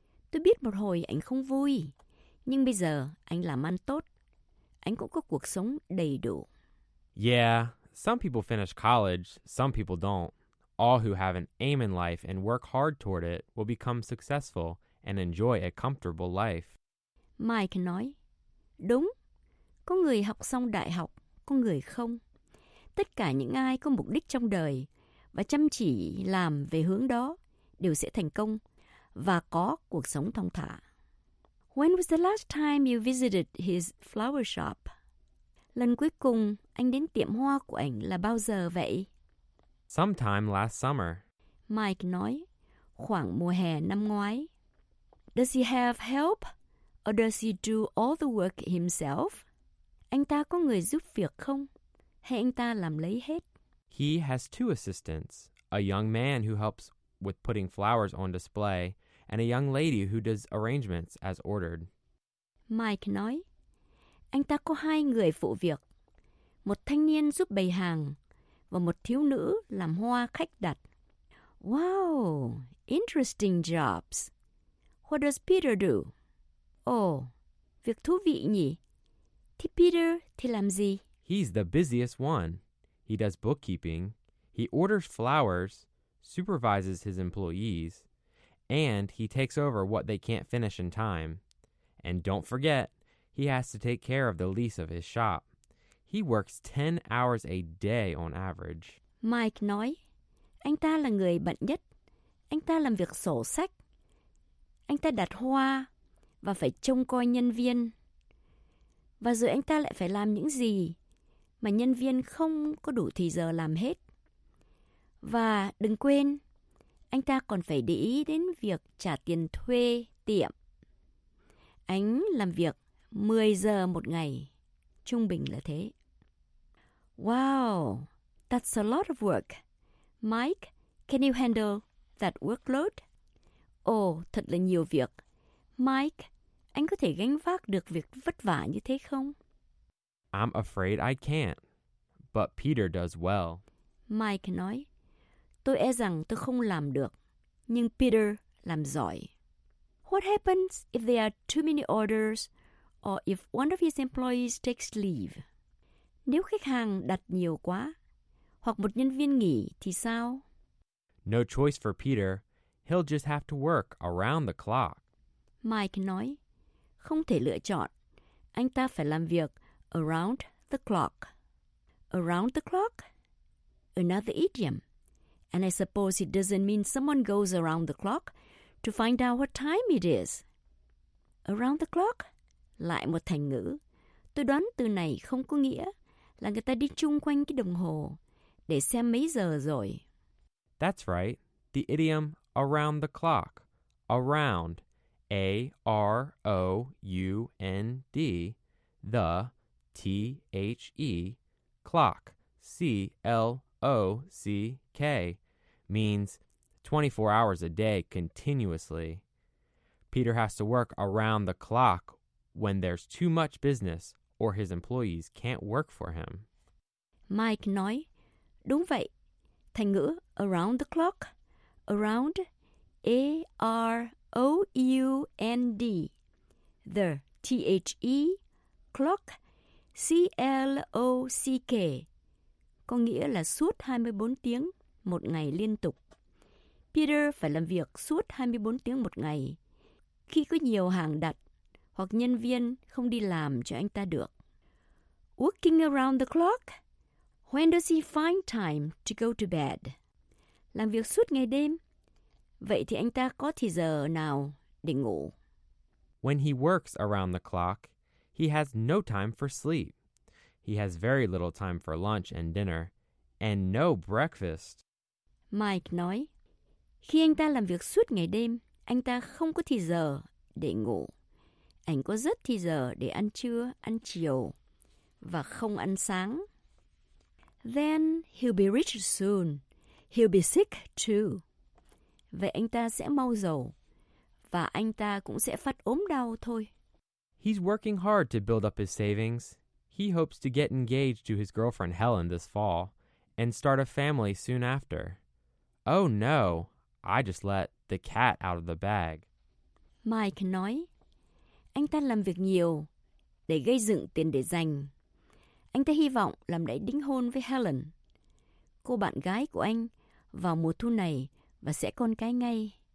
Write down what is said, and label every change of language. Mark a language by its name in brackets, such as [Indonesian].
[Vietnamese] Tôi biết một hồi anh không vui, nhưng bây giờ anh làm ăn tốt. Anh cũng có cuộc sống đầy đủ. [English] Yeah. Some people finish college, some people don't. All who have an aim in life and work hard toward it will become successful and enjoy a comfortable life. [Vietnamese] Mike nói, đúng, có người học xong đại học, có người không. Tất cả những ai có mục đích trong đời và chăm chỉ làm về hướng đó đều sẽ thành công và có cuộc sống thong thả. [English] When was the last time you visited his flower shop? [Vietnamese] Lần cuối cùng anh đến tiệm hoa của anh là bao giờ vậy? [English] Sometime last summer. [Vietnamese] Mike nói, khoảng mùa hè năm ngoái. [English] Does he have help or does he do all the work himself? [Vietnamese] Anh ta có người giúp việc không? Hay anh ta làm lấy hết? [English] He has two assistants, a young man who helps with putting flowers on display and a young lady who does arrangements as ordered. [Vietnamese] Mike nói, anh ta có hai người phụ việc. Một thanh niên giúp bày hàng, và một thiếu nữ làm hoa khách đặt. [English] Wow, interesting jobs. What does Peter do? [Vietnamese] Oh, việc thú vị nhỉ. Thì Peter thì làm gì? [English] He's the busiest one. He does bookkeeping. He orders flowers, supervises his employees, and he takes over what they can't finish in time. And don't forget, he has to take care of the lease of his shop. He works 10 hours a day on average. [Vietnamese] Mike nói, anh ta là người bận nhất. Anh ta làm việc sổ sách. Anh ta đặt hoa và phải trông coi nhân viên. Và rồi anh ta lại phải làm những gì mà nhân viên không có đủ thời giờ làm hết. Và đừng quên, anh ta còn phải để ý đến việc trả tiền thuê tiệm. Anh làm việc 10 giờ một ngày, trung bình là thế. [English] Wow, that's a lot of work. Mike, can you handle that workload? [Vietnamese] Oh, thật là nhiều việc. Mike, anh có thể gánh vác được việc vất vả như thế không? [English] I'm afraid I can't, but Peter does well. [Vietnamese] Mike nói, tôi e rằng tôi không làm được, nhưng Peter làm giỏi. [English] What happens if there are too many orders or if one of his employees takes leave? [Vietnamese] Nếu khách hàng đặt nhiều quá, hoặc một nhân viên nghỉ thì sao? [English] No choice for Peter. He'll just have to work around the clock. [Vietnamese] Mike nói, không thể lựa chọn. Anh ta phải làm việc around the clock. [English] Around the clock? Another idiom. And I suppose it doesn't mean someone goes around the clock to find out what time it is. [Vietnamese] Around the clock? Lại một thành ngữ. Tôi đoán từ này không có nghĩa là người ta đi chung quanh cái đồng hồ để xem mấy giờ rồi. [English] That's right. The idiom around the clock. Around. A-R-O-U-N-D. The. T-H-E. Clock. C-L-O-C-K. Means 24 hours a day continuously. Peter has to work around the clock when there's too much business or his employees can't work for him. [Vietnamese] Mike nói, đúng vậy. Thành ngữ around the clock, around A-R-O-U-N-D, the T-H-E, clock, C-L-O-C-K, có nghĩa là suốt 24 tiếng một ngày liên tục. Peter phải làm việc suốt 24 tiếng một ngày khi có nhiều hàng đặt hoặc nhân viên không đi làm cho anh ta được. [English] Working around the clock? When does he find time to go to bed? [Vietnamese] Làm việc suốt ngày đêm. Vậy thì anh ta có thời giờ nào để ngủ? [English] When he works around the clock, he has no time for sleep. He has very little time for lunch and dinner, and no breakfast. [Vietnamese] Mike nói, khi anh ta làm việc suốt ngày đêm, anh ta không có thời giờ để ngủ. Anh có rất thời giờ để ăn trưa, ăn chiều, và không ăn sáng. [English] Then he'll be rich soon. He'll be sick too. [Vietnamese] Vậy anh ta sẽ mau giàu và anh ta cũng sẽ phát ốm đau thôi. [English] He's working hard to build up his savings. He hopes to get engaged to his girlfriend Helen this fall and start a family soon after. Oh no, I just let the cat out of the bag. [Vietnamese] Mike nói, anh ta làm việc nhiều để gây dựng tiền để dành. Anh ta hy vọng làm đại đính hôn với Helen, cô bạn gái của anh, vào mùa thu này và sẽ con cái ngay.